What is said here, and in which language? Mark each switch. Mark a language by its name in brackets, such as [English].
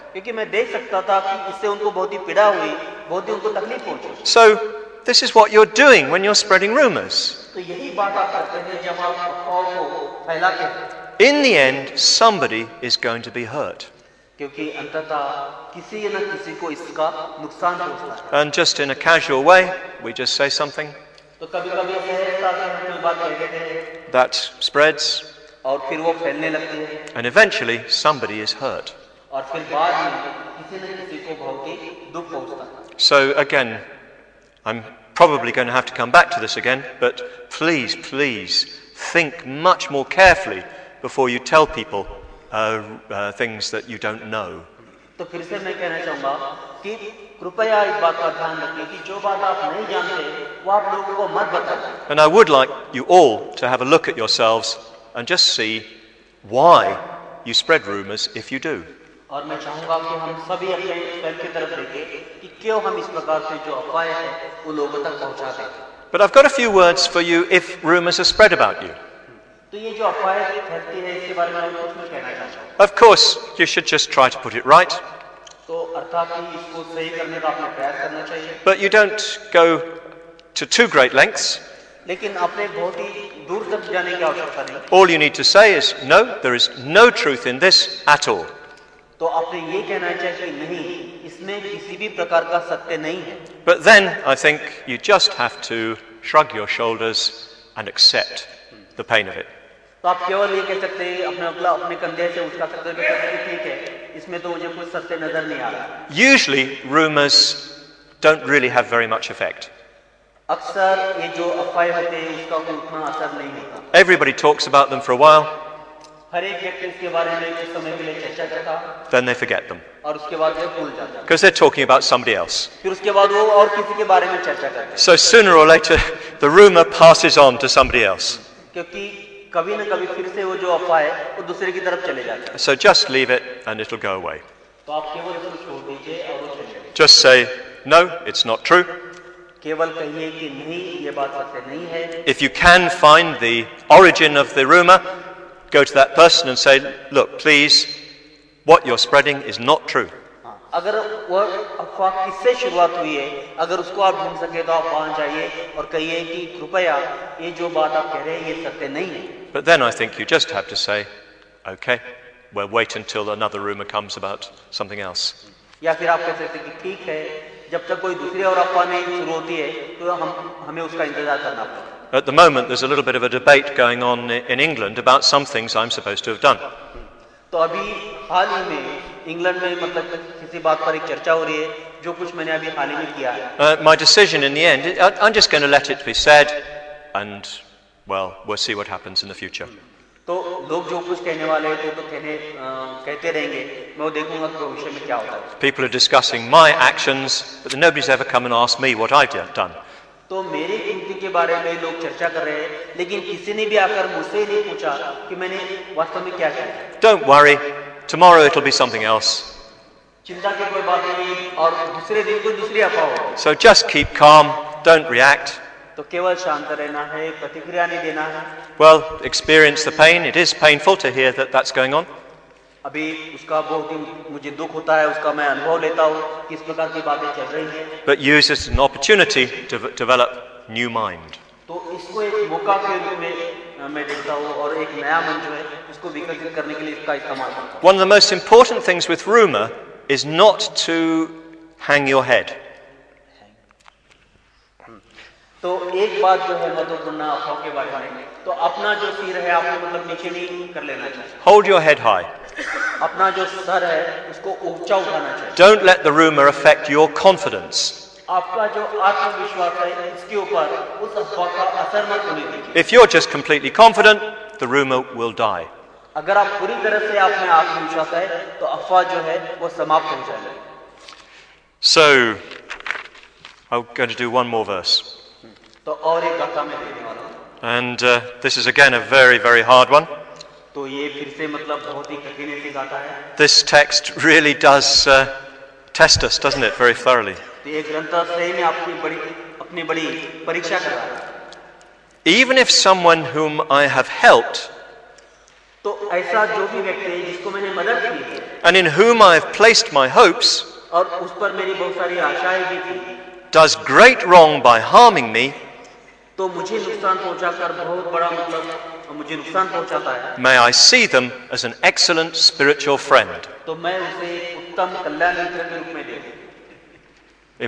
[Hindi] क्योंकि मैं देख सकता था कि इससे उनको बहुत ही पीड़ा हुई, बहुत ही उनको तकलीफ पहुंची. [English] So this is what you're doing when you're spreading rumors. [Hindi] तो यही बात आप करते हैं जब आप अफवाह को फैलाते हैं. [English] In the end, somebody is going to be hurt. [Hindi] क्योंकि अंततः किसी न किसी को इसका नुकसान पहुंचता है. [English] And just in a casual way, we just say something. [Hindi] तो कभी-कभी ऐसा होता है कि हम बात कर देते हैं. [English] That spreads. [Hindi] और फिर वो फैलने लगती है. [English] And eventually, somebody is hurt. [Hindi] और फिर बाद में किसी न किसी को बहुत ही दुख पहुंचता है. [English] So again, I'm probably going to have to come back to this again, but please, please think much more carefully before you tell people things that you don't know. [Hindi] तो फिर से मैं कहना चाहूँगा कि कृपया इस बात का ध्यान रखें कि जो बात आप नहीं जानते, वो आप लोगों को मत बताएं. [English] And I would like you all to have a look at yourselves and just see why you spread rumors if you do. [Hindi] और मैं चाहूँगा कि हम सभी अपने स्वयं की तरफ देखें कि क्यों हम इस प्रकार से जो अफवाहें हैं, वो लोगों तक पहुँचाते हैं. [English] But I've got a few words for you if rumors are spread about you. [Hindi] तो ये जो अफवाहें फैलती हैं, इसके बारे में मैं कुछ कहना चाहता हूँ. [English] Of course, you should just try to put it right. [Hindi] तो अर्थात कि इसको सही करने का आपने प्रयास करना चाहिए. [English] But you don't go to too great lengths. [Hindi] लेकिन आपने बहुत ही दूर तक जाने की आवश्यकता नहीं. [English] All you need to say is, no, there is no truth in this at all. [Hindi] तो आपने ये कहना चाहिए कि नहीं, इसमें किसी भी प्रकार का सत्य नहीं है. [English] But then I think you just have to shrug your shoulders and accept the pain of it. [Hindi] तो आप केवल ये कह सकते हैं अपने अगला अपने कंधे से उठा सकते हैं कि ठीक है, इसमें तो मुझे कुछ सत्य नजर नहीं आ रहा. [English] Usually rumors don't really have very much effect. [Hindi] अक्सर ये जो अफवाहें होते हैं उसका कोई उतना असर नहीं होता. [English] Everybody talks about them for a while. [Hindi] हर एक व्यक्ति इसके बारे में कुछ समय के लिए चर्चा करता. [English] Then they forget them. [Hindi] और उसके बाद वो भूल जाते हैं. [English] Because they're talking about somebody else. [Hindi] फिर उसके बाद वो और किसी के बारे में चर्चा करते हैं. [English] So sooner or later the rumor passes on to somebody else. [Hindi] क्योंकि कभी न कभी फिर से वो जो अफवाह है वो दूसरे की तरफ चले जाते हैं. [English] So just leave it and it'll go away. [Hindi] तो आप केवल उसको छोड़ दीजिए और वो चले जाए. [English] Just say no, it's not true. [Hindi] केवल कहिए कि नहीं, ये बात सत्य नहीं है. [English] If you can find the origin of the rumor, go to that person and say, look, please, what you're spreading is not true. [Hindi] अगर वो अफवाह किससे शुरुआत हुई है, अगर उसको आप ढूंढ सके तो आप वहां जाइए और कहिए कि कृपया ये जो बात आप कह रहे हैं ये सत्य नहीं है. [English] But then I think you just have to say, okay, we'll wait until another rumor comes about something else. [Hindi] या फिर आप कह सकते हैं कि ठीक है, जब तक कोई दूसरी और अफवाह नहीं शुरू होती है तो हमें उसका इंतजार करना पड़ता है. [English] At the moment there's a little bit of a debate going on in England about some things I'm supposed to have done. [Hindi] तो अभी हाल ही में इंग्लैंड में मतलब किसी बात पर एक चर्चा हो रही है जो कुछ मैंने अभी हाल ही में किया है. [English] My decision in the end, I'm just going to let it be said and well, we'll see what happens in the future. [Hindi] तो लोग जो कुछ कहने वाले हैं तो कहते रहेंगे, मैं वो देखूंगा भविष्य में क्या होता है. [English] People are discussing my actions, but nobody's ever come and asked me what I've done. [Hindi] तो मेरे गिनती के बारे में लोग चर्चा कर रहे हैं लेकिन किसी ने भी आकर मुझसे नहीं पूछा कि मैंने वास्तव में क्या किया. [English] Don't worry, tomorrow it'll be something else. [Hindi] चिंता की कोई बात नहीं और दूसरे दिन कोई दूसरी अफवाह होगी. [English] So just keep calm, don't react. [Hindi] तो केवल शांत रहना है, प्रतिक्रिया नहीं देना है. [English] Well, experience the pain. It is painful to hear that that's going on. [Hindi] अभी उसका बहुत ही मुझे दुख होता है, उसका मैं अनुभव लेता हूँ कि इस प्रकार की बातें चल रही हैं. [English] But use it as an opportunity to develop new mind. [Hindi] तो इसको एक मौका के रूप में मैं देखता हूँ और एक नया मन जो है उसको विकसित करने के लिए इसका इस्तेमाल करता हूँ. [English] One of the most important things with rumor is not to hang your head. [Hindi] तो एक बात जो है महत्वपूर्ण अफवाह के बारे में, तो अपना जो सिर है आपको मतलब नीचे नहीं कर लेना चाहिए. [English] Hold your head high. [Hindi] अपना जो सर है उसको ऊंचा उठाना चाहिए. [English] Don't let the rumor affect your confidence. [Hindi] आपका जो आत्मविश्वास है इसके ऊपर उस अफवाह का असर मत होने दीजिए. [English] If you're just completely confident, the rumor will die. [Hindi] अगर आप पूरी तरह से आप में आत्मविश्वास है तो अफवाह जो है वो समाप्त हो जाएगी. [English] So I'm going to do one more verse. [Hindi] तो और एक गाथा मैं देने वाला हूं. [English] And this is again a very, very hard one. [Hindi] तो ये फिर से मतलब बहुत ही कठिन सी गाथा है. [English] This text really does test us, doesn't it, very thoroughly. [Hindi] ये ग्रंथ सही में आपकी बड़ी अपनी बड़ी परीक्षा कर रहा है. [English] Even if someone whom I have helped, [Hindi] तो ऐसा जो भी व्यक्ति है जिसको मैंने मदद की, [English] and in whom I have placed my hopes, [Hindi] और उस पर मेरी बहुत सारी आशाएं भी थी, [English] does great wrong by harming me, [Hindi] तो मुझे नुकसान पहुंचाकर बहुत बड़ा मतलब मुझे नुकसान पहुंचाता है, [English] may I see them as an excellent spiritual friend, [Hindi] तो मैं उसे उत्तम कल्याण मित्र के रूप में देखूं,